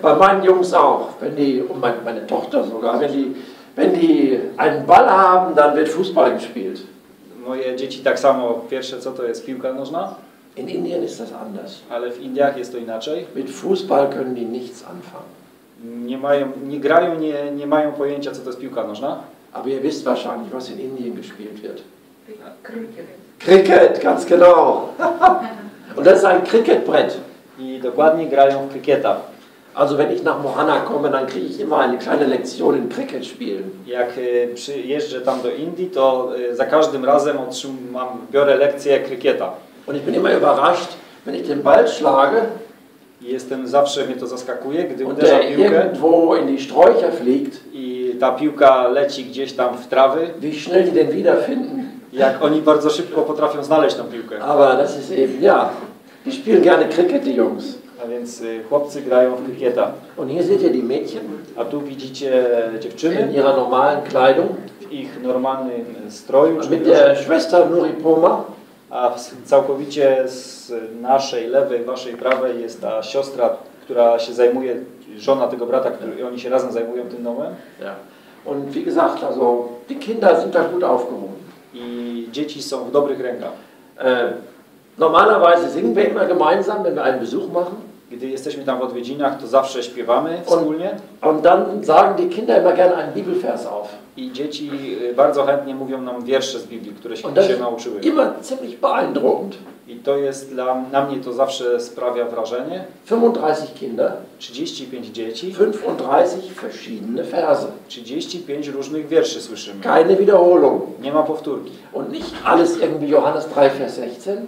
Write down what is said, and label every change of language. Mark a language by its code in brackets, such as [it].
[de] Bei meinen Jungs auch, wenn die, meine Tochter sogar, wenn die einen Ball haben, dann wird Fußball gespielt. [pl] Moje dzieci tak samo, pierwsze co to jest, piłka nożna? [de] In Indien ist das anders. [pl] Ale w Indiach jest to inaczej. [de] Mit Fußball können die nichts anfangen. [pl] Nie mają, nie grają, nie, nie mają pojęcia, co to jest piłka nożna. [de] Aber ihr wisst wahrscheinlich, was in Indien gespielt wird. Cricket. Cricket, ganz genau. Und das ist ein Cricketbrett. [pl] I dokładnie grają w kriketa. [de] Also wenn ich nach Mohana komme, dann kriege ich immer eine kleine Lektion in Cricket spielen. [pl] Jak przyjeżdżę tam do Indii, to za każdym razem biorę lekcję kriketa. [de] Und ich bin immer überrascht, wenn ich den Ball schlage. [pl] Jestem zawsze, mnie to zaskakuje, gdy uderza piłkę. [de] Fliegt, [pl] i ta piłka leci gdzieś tam w trawy. [de] Wie schnell die denn wieder finden. [pl] Jak oni bardzo szybko potrafią znaleźć tą piłkę. [de] Aber das ist eben, ja. Die spielen gerne Cricket, die Jungs. [pl] A więc chłopcy grają w krykieta. [de] Und hier seht ihr die Mädchen. [pl] A tu widzicie dziewczyny. [de] In ihrer normalen Kleidung. [pl] W ich normalnym stroju. [de] Czy mit der Schwester Nuri Poma. [pl] A całkowicie z naszej lewej, waszej prawej jest ta siostra, która się zajmuje, żona tego brata, który, oni się razem zajmują tym domem. [de] Und wie gesagt, also die Kinder sind da gut aufgehoben. [pl] I dzieci są w dobrych rękach. [de] Normalerweise singen wir immer gemeinsam, wenn wir einen Besuch machen. [pl] Gdy jesteśmy tam w odwiedzinach, to zawsze śpiewamy wspólnie. [de] Und dann sagen die Kinder immer gerne einen Bibelvers auf. [pl] I dzieci bardzo chętnie mówią nam wiersze z Biblii, które się nauczyły. [de] Immer ziemlich beeindruckend. [pl] I to jest na mnie to zawsze sprawia wrażenie. [de] 35 Kinder. [pl] 35 dzieci. [de] 35 verschiedene Verse. [pl] 35 różnych wierszy słyszymy. [de] Keine Wiederholung. [pl] Nie ma powtórki. [de] Und nicht alles irgendwie Johannes 3, Vers 16.